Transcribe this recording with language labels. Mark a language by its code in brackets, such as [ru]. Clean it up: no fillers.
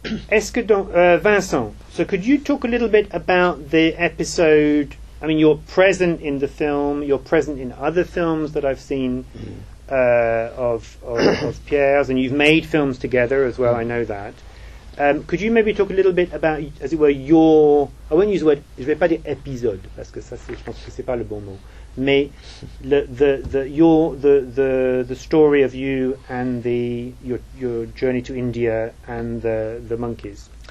[fr] Est-ce que donc, [en] Vincent, so could you talk a little bit about the episode? I mean, you're present in the film, you're present in other films that I've seen. Of Pierre's, and you've made films together as well. I know that. Could you maybe talk a little bit about, as it were, your? I won't use the word. [fr] Je vais pas dire épisode parce que ça, c'est, je pense que c'est pas le bon mot. [en] Mais the story of you and your journey to India and the monkeys.